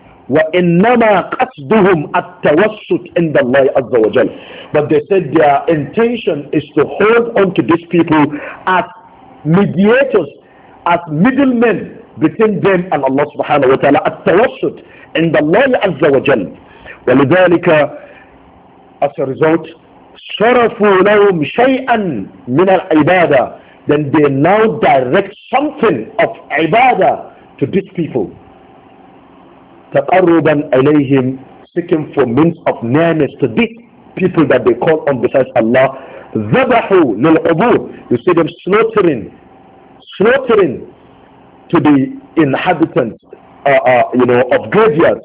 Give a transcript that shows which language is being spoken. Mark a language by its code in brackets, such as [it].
[ar] وَإِنَّمَا قَصْدُهُمْ التَّوَسُّطُ عِنْدَ اللَّهِ عَزَّ وَجَلَّ. [en] But they said their intention is to hold on to these people as mediators, as middlemen between them and Allah subhanahu wa ta'ala. [ar] التَّوَسُّطُ عِنْدَ اللَّهِ عَزَّ وَجَلَّ. وَلِذَلِكَ, [en] as a result, [ar] صَرَفُوا لَهُمْ شَيْئًا مِنَ الْعِبَادَةِ. [en] Then they now direct something of ibadah to these people, [ar] تَقَرُّبًا إِلَيْهِمْ, [en] seeking for means of nearness to these people that they call on besides Allah. [ar] ذَبَحُوا لِلْعُبُورِ, [en] you see them slaughtering to the inhabitants of graveyards.